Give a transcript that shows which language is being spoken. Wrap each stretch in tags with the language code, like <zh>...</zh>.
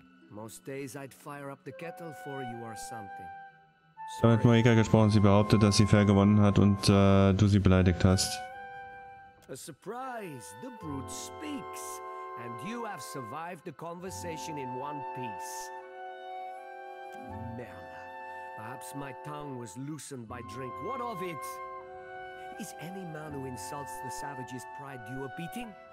<en>Most days I'd fire up the kettle for you or something.</en> <de>Ich habe mit Marika gesprochen, sie behauptet, dass sie fair gewonnen hat und du sie beleidigt hast.</de> <en>A surprise! The brute speaks, and you have survived the conversation in one piece. Merla, perhaps my tongue was loosened by drink. What of it? Is any man who insults the savage's pride due a beating?</en>